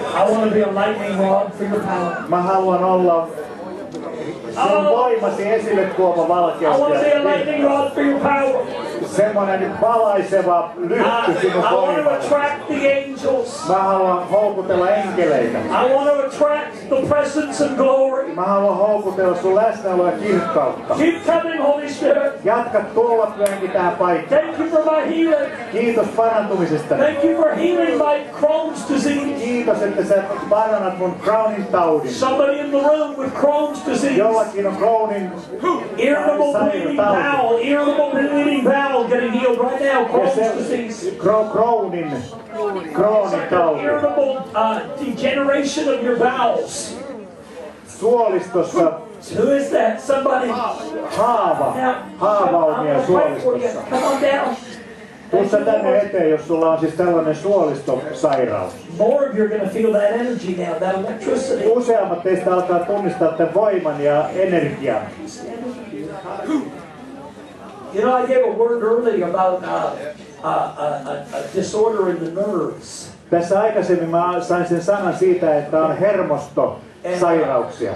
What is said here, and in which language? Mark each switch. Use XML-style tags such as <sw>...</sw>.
<en>I want to be a lightning rod for your power.</en> <fi>Mä haluan olla sun voimasi esille tuoma valkeus.</fi> <en>I want to be a lightning rod for your power.</en> <fi>Semmoinen valaiseva lyhty sinun</fi> <en>voimasi. I want to attract the angels.</en> <fi>Mä haluan houkutella enkeleitä.</fi> <en>I want to attract the presence and glory.</en> <fi>Mä haluan houkutella sun läsnäoloa ja kirkkautta.</fi> <en>Keep coming, Holy Spirit.</en> <fi>Jatka tuolla pyöhenkin tähän paikkaan.</fi> <en>Thank you for my healing.</en> <fi>Kiitos parantumisesta.</fi> <en>Thank you for healing my Crohn's disease.</en> <fi>Kiitos, että sä parannat mun Crohnin taudin.</fi> <en>Somebody in the room with Crohn's disease.</en> <fi>Jollakin on Crohnin</fi> <en>taudin. Irritable bleeding bowel getting healed right now. Crohn's disease.</en> <fi>Crohnin. Crohnin taudin.</fi> <en>Irritable degeneration of your bowels.</en> <fi>Suolistossa.</fi> <en>Who is that? Somebody.</en> <fi>Haava. Haavaumia suolistossa.</fi> <en>Come on down.</en> <fi>Tuu sä tänne eteen, jos sulla on siis tällainen suolistosairaus.</fi> <en>More of you are going to feel that energy now, that electricity.</en> <fi>Useammat teistä alkaa tunnistaa tämän voiman ja energian.</fi> <en>You know, I gave a word earlier about a disorder in the nerves.</en> <fi>Tässä aikaisemmin mä sain sen sanan siitä, että on hermosto sairauksia.</fi>